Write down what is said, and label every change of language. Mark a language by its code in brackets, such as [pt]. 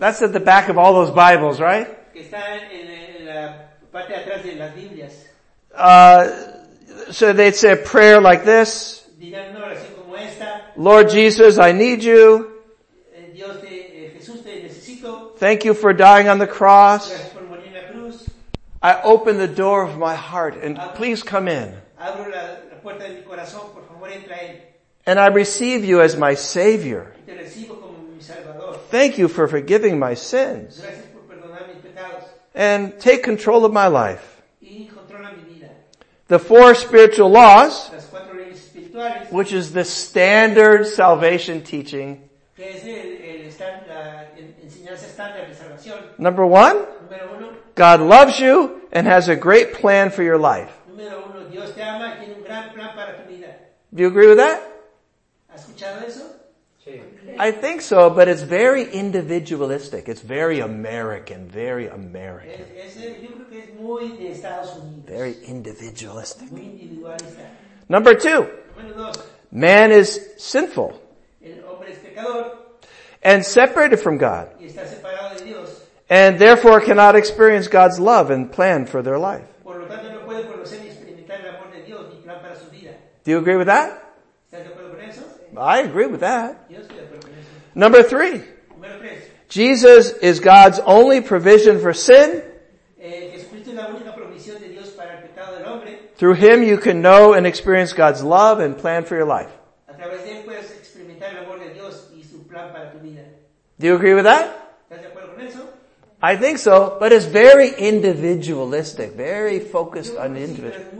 [en] That's at the back of all those Bibles, right? [es] Que están en la parte de atrás de las Biblias. [en] So they'd say a prayer like this. [es] Dirán una oración como esta. [en] Lord Jesus, I need you. [es] Dios de Jesús, te necesito. [en] Thank you for dying on the cross. [es] Gracias por morir en la cruz. [en] I open the door of my heart and please come in. [es] Abro la puerta de mi corazón, por favor, entra en. [en] And I receive you as my Savior. [es] Te recibo como mi Salvador. [en] Thank you for forgiving my sins. [es] Gracias por perdonar mis pecados. [en] And take control of my life. [es] Y controla mi vida. [en] The four spiritual laws, [es] las cuatro leyes espirituales, [en] which is the standard salvation teaching. [es] Que es la enseñanza estándar de salvación. [en] Number one. God loves you and has a great plan for your life. [es] Número uno, Dios te ama y tiene un gran plan para tu vida. [en] Do you agree with that? [es] ¿Has escuchado eso? Sí. [en] I think so, but it's very individualistic. It's very American. Very American. [es] Yo creo que es muy de Estados Unidos. [en] Very individualistic. [es] Muy individualista. [en] Number two. [es] Número dos. [en] Man is sinful. [es] El hombre es pecador. [en] And separated from God. [es] Y está separado de Dios. [en] And therefore cannot experience God's love and plan for their life. [es] Por lo tanto, no puede conocer ni experimentar el amor de Dios ni plan para su vida. [en] Do you agree with that? [es] ¿Estás de acuerdo con eso? [en] I agree with that. [es] Yo estoy de acuerdo con eso. [en] Number three. [es] Número tres. [en] Jesus is God's only provision for sin. [es] Jesucristo es la única provisión de Dios para el pecado del hombre. [en] Through him you can know and experience God's love and plan for your life. [es] A través de él puedes experimentar el amor de Dios y su plan para tu vida. [en] Do you agree with that? [es] ¿Estás de acuerdo con eso? [en] I think so, but it's very individualistic, very focused on the individual.